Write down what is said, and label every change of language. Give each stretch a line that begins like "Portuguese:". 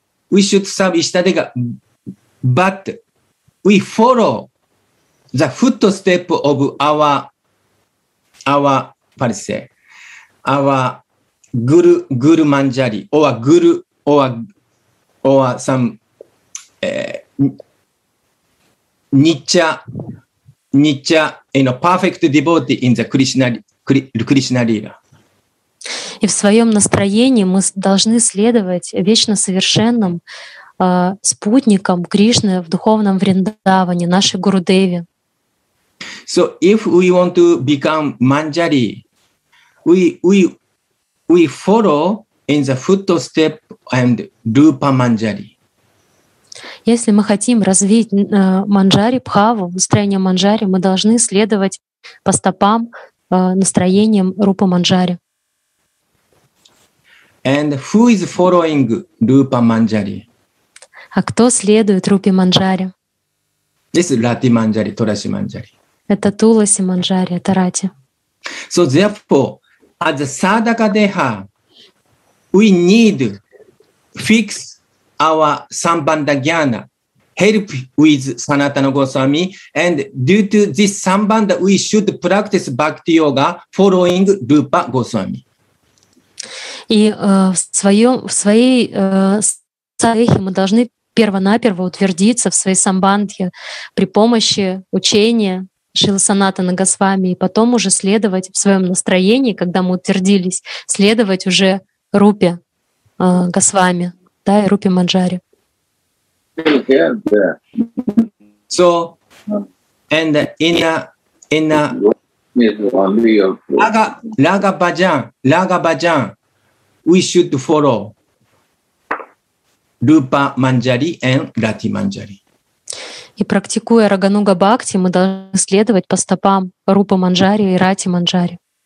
English: We should serve Иштадега, but we follow the footstep of our guru Manjari or guru or some nitya, you know, perfect devotee in the Krishna Lila.
Russian: И в своем настроении мы должны следовать вечно совершенным спутникам Кришны в духовном Вриндаване, нашей Гурудеве.
English: So if we want to become Manjari, we follow in the footstep and Rupa Manjari.
Russian: Если мы хотим развить Манджари, Бхаву, настроение Манджари, мы должны следовать по стопам настроениям Рупа Манджари.
English: And who is following Rupa Manjari?
Russian: А кто следует Рупе Манджари?
English: This is Рати Манджари, Тураси Манджари.
Russian: Это Туласи Манджари, это Рати.
English: So therefore, as a sadhaka deha, we need fix our sambandha jnana, help with Sanatana Goswami, and due to this sambandha, we should practice bhakti yoga following Rupa Goswami.
Russian: И в своей садхе мы должны первонаперво утвердиться в своей самбандхе при помощи учения Шрила Санатана Госвами и потом уже следовать в своем настроении, когда мы утвердились, следовать уже Рупе Госвами, да, и Рупе Манджари.
English: So, and in a Raga Bhajan, we should follow Rupa Manjari and Rati Manjari.
Russian: И практикуя Рагануга Бхакти, мы должны следовать по стопам Рупа Манджари и Рати Манджари.